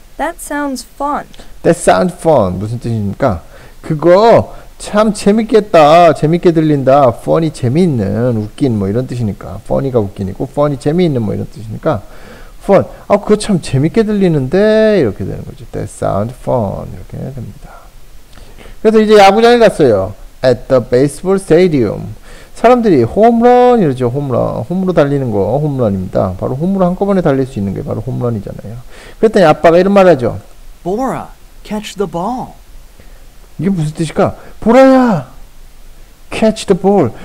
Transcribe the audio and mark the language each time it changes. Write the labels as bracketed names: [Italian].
[English] That sounds fun. That sound fun. [Korean] 무슨 뜻입니까? 그거 참 재밌겠다. 재밌게 들린다. Funny 재미있는, 웃긴 뭐 이런 뜻이니까. Funny가 웃기니까. Funny 재미있는 뭐 이런 뜻이니까. [English] Fun. [Korean] 그거 참 재밌게 들리는데 이렇게 되는 거지. [English] That sound fun [Korean] 이렇게 됩니다. 그래서 이제 야구장에 갔어요. [English] At the baseball stadium. [Korean] 사람들이 홈런 이러죠. 홈런. 홈으로 달리는 거 홈런입니다. 바로 홈으로 한꺼번에 달릴 수 있는 게 바로 홈런이잖아요. 그랬더니 아빠가 이런 말 하죠. [English] Bora, catch the ball. [Korean] 이게 무슨 뜻일까? 보라야, [English] catch the ball.